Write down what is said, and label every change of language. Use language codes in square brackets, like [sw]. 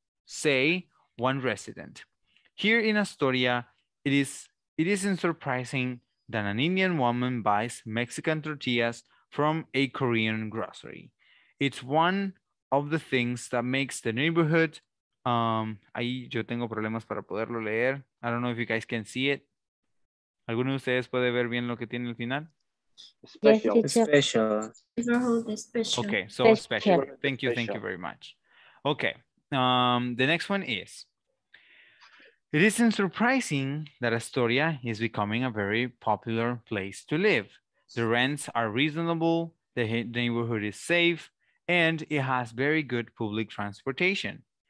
[en] Say one resident. Here in Astoria, it isn't surprising that an Indian woman buys Mexican tortillas from a Korean grocery. It's one of the things that makes the neighborhood. [es] Ahí yo tengo problemas para poderlo leer. [en] I don't know if you guys can see it. [es] ¿Alguno de ustedes puede ver bien lo que tiene al final? [en] Special. Okay, so special. Thank you very much. Okay, the next one is It isn't surprising that Astoria is becoming a very popular place to live. The rents are reasonable, the neighborhood is safe, and it has very good public transportation.